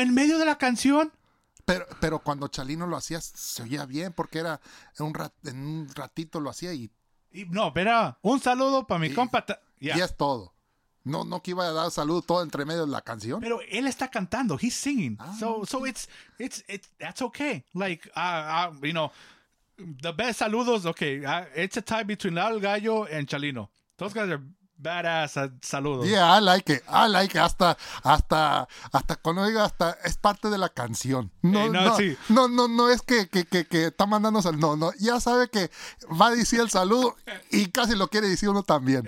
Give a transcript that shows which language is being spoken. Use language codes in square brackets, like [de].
[es] en medio de la canción. Pero cuando Chalino lo hacía, se oía bien porque era en un ratito lo hacía y. No, espera, un saludo para mi compa. Y es todo. No, no que iba a dar saludo todo entre medio de la canción. Pero él está cantando, [en] he's singing. So it's that's okay. Like, the best saludos, okay, it's a tie between Lalo Gallo and Chalino. Those guys are Badass, saludos. Yeah, I like it. I like it. [es] Hasta cuando diga, hasta es parte de la canción. No es que está mandando sal. No, no. Ya sabe que va a decir el saludo y casi lo quiere decir uno también.